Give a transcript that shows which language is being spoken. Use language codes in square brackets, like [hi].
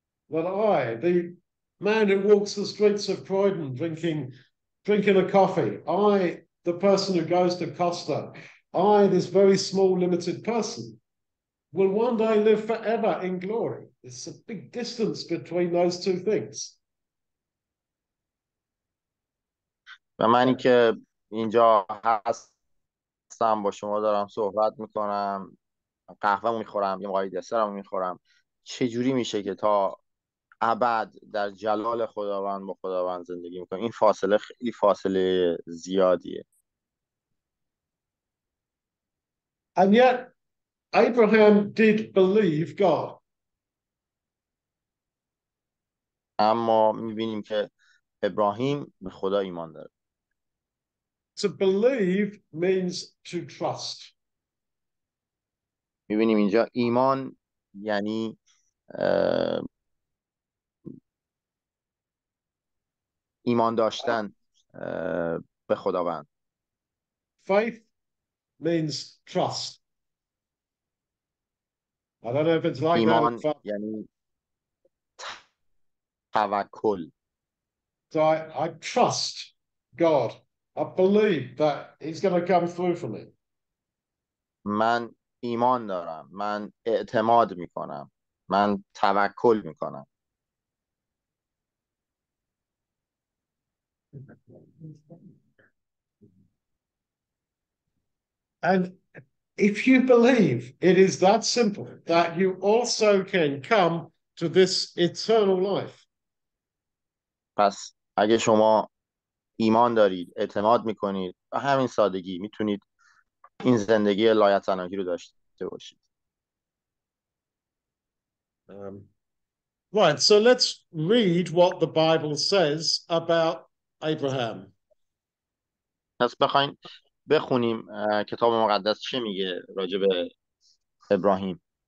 [en] But I, the man who walks the streets of Croydon drinking a coffee, I, the person who goes to Costa, I, this very small limited person, will one day live forever in glory. It's a big distance between those two things. [fa] و منی که اینجا هستم با شما دارم صحبت میکنم، قهوه میخورم، یه مقای دسرم میخورم، چجوری میشه که تا ابد در جلال خداوند با خداوند زندگی میکنم؟ این فاصله خیلی فاصله زیادیه. [en] And yet, Abraham did believe God. [fa] اما میبینیم که ابراهیم به خدا ایمان داره. [en] To believe means to trust. [fa] می‌بینیم اینجا ایمان یعنی ایمان داشتن به خداوند. [en] Faith means trust. I don't know if it's like [fa] ایمان [en] that. [fa] ایمان یعنی توکل. [en] So I trust God. I believe that he's going to come through for me. [fa] من ایمان دارم. من اعتماد میکنم. من توکل میکنم. [en] And if you believe, it is that simple that you also can come to this eternal life. [fa] پس اگه شما ایمان دارید، اعتماد میکنید، و همین سادگی میتونید این زندگی لایتناهی رو داشته باشید. [en] Right, so let's read what the Bible says about Abraham. [fa] پس بخواین بخونیم کتاب مقدس چه میگه راجع به ابراهیم.